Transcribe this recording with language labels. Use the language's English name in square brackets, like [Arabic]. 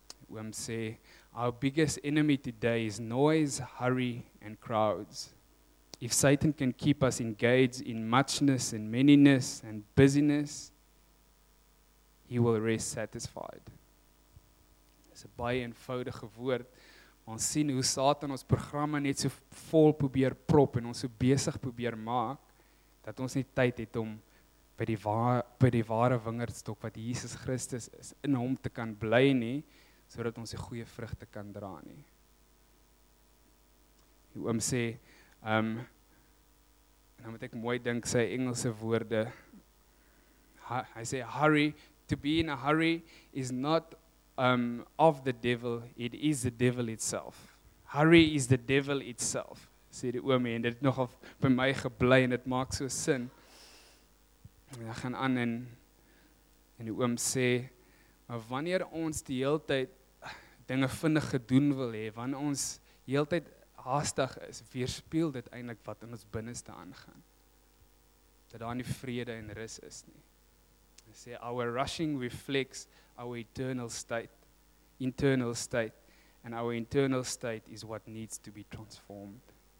[Afrikaans] Oom sê, [English] our biggest enemy today is noise, hurry and crowds. If Satan can keep us engaged in muchness and manyness and busyness, he will rest satisfied. [Afrikaans] Dis 'n baie eenvoudige woord. Ons sien hoe Satan ons programme net so vol probeer prop en ons so besig probeer maak, dat ons nie tyd het om by die ware wingerdstok wat Jesus Christus is, in hom te kan bly nie, sodat ons die goeie vrugte kan dra nie. Die oom sê, nou moet ek mooi dink sy Engelse woorde, hy sê, [English] hurry, to be in a hurry is not of the devil, it is the devil itself. Hurry is the devil itself, [Afrikaans] sê die oomie, en dit het nogal by my gebly, en dit maak so sin. En hy gaan aan, en die oom sê, maar wanneer ons die heel tyd dinge vinnig gedoen wil hê, wanneer ons die heel tyd haastig is, weerspeel dit eintlik wat in ons binneste aangaan, dat daar nie vrede en rus is nie. Hy sê, [English] our rushing reflects our internal state, and our internal state is what needs to be transformed.